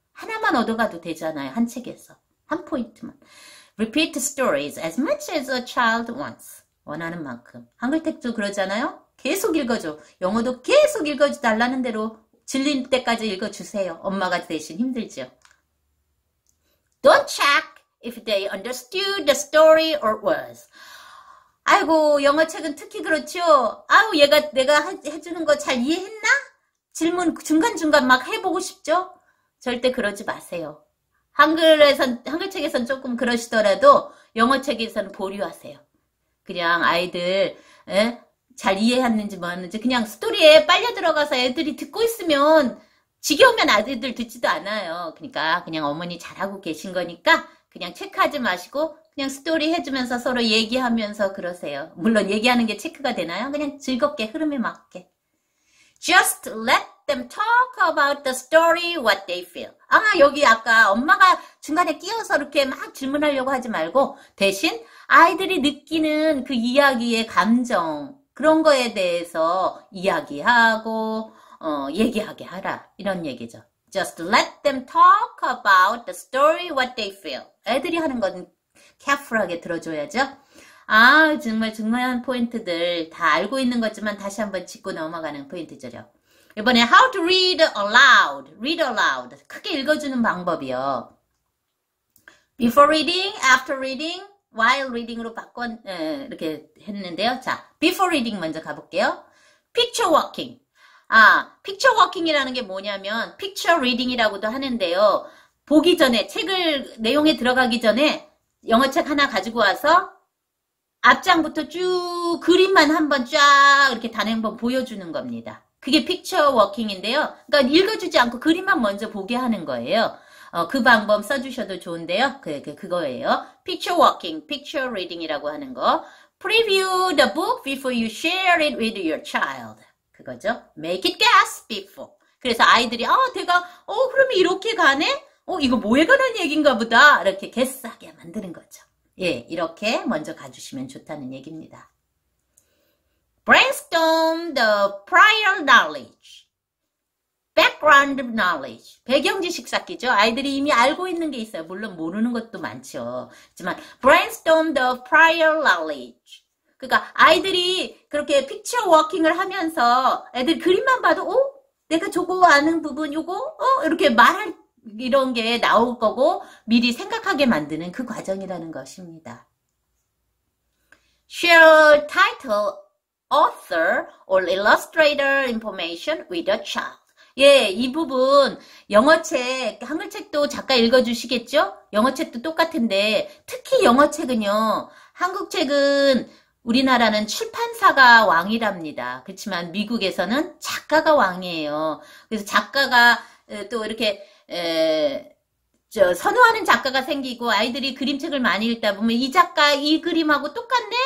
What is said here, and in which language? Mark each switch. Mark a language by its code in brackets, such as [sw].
[ko] 하나만 얻어가도 되잖아요. 한 책에서. 한 포인트만. [en] Repeat stories as much as a child wants. [ko] 원하는 만큼. 한글책도 그러잖아요? 계속 읽어줘. 영어도 계속 읽어달라는 대로 질릴 때까지 읽어주세요. 엄마가 대신 힘들죠. [en] Don't check if they understood the story or words. [ko] 아이고, 영어책은 특히 그렇죠? 아우, 얘가 내가 해주는 거잘 이해했나? 질문 중간중간 막 해보고 싶죠? 절대 그러지 마세요. 한글책에선 조금 그러시더라도 영어책에서는 보류하세요. 그냥 아이들, 에? 잘 이해했는지 뭐 하는지 그냥 스토리에 빨려 들어가서 애들이 듣고 있으면 지겨우면 아이들 듣지도 않아요. 그러니까 그냥 어머니 잘하고 계신 거니까 그냥 체크하지 마시고 그냥 스토리 해주면서 서로 얘기하면서 그러세요. 물론 얘기하는 게 체크가 되나요? 그냥 즐겁게 흐름에 맞게. [en] Just let them talk about the story, what they feel. [ko] 아, 여기 아까 엄마가 중간에 끼어서 이렇게 막 질문하려고 하지 말고 대신 아이들이 느끼는 그 이야기의 감정. 그런 거에 대해서 이야기하고, 얘기하게 하라. 이런 얘기죠. [en] Just let them talk about the story, what they feel. [ko] 애들이 하는 건 careful하게 들어줘야죠. 아, 정말 중요한 포인트들 다 알고 있는 것지만 다시 한번 짚고 넘어가는 포인트죠. 이번에 [en] how to read aloud. Read aloud. [ko] 크게 읽어주는 방법이요. [en] Before reading, after reading. While reading으로 [ko] 이렇게 했는데요. 자, [en] before reading [ko] 먼저 가볼게요. [en] Picture walking. [ko] 아, picture walking이라는 게 뭐냐면, picture reading이라고도 하는데요. 보기 전에, 책을, 내용에 들어가기 전에, 영어책 하나 가지고 와서, 앞장부터 쭉, 그림만 한번 쫙, 이렇게 단행 한번 보여주는 겁니다. 그게 picture walking인데요. 그러니까 읽어주지 않고 그림만 먼저 보게 하는 거예요. 그 방법 써주셔도 좋은데요. 그거예요. Picture walking, picture reading이라고 하는 거. [en] Preview the book before you share it with your child. [ko] 그거죠. [en] Make it guess before. [ko] 그래서 아이들이, 내가, 그러면 이렇게 가네? 이거 뭐에 관한 얘기인가 보다. 이렇게 개스하게 만드는 거죠. 예, 이렇게 먼저 가주시면 좋다는 얘기입니다. [en] Brainstorm the prior knowledge. Background knowledge. [ko] 배경 지식 쌓기죠. 아이들이 이미 알고 있는 게 있어요. 물론 모르는 것도 많죠. 하지만, [en] brainstorm the prior knowledge. [ko] 그러니까, 아이들이 그렇게 picture walking을 하면서 애들 그림만 봐도, 내가 저거 아는 부분 요거, 이렇게 말할, 이런 게 나올 거고, 미리 생각하게 만드는 그 과정이라는 것입니다. [en] Share title, author, or illustrator information with a child. [ko] 예, 이 부분, 영어책, 한글책도 작가 읽어주시겠죠? 영어책도 똑같은데, 특히 영어책은요, 한국책은 우리나라는 출판사가 왕이랍니다. 그렇지만 미국에서는 작가가 왕이에요. 그래서 작가가 또 이렇게, 선호하는 작가가 생기고 아이들이 그림책을 많이 읽다 보면 이 작가 이 그림하고 똑같네?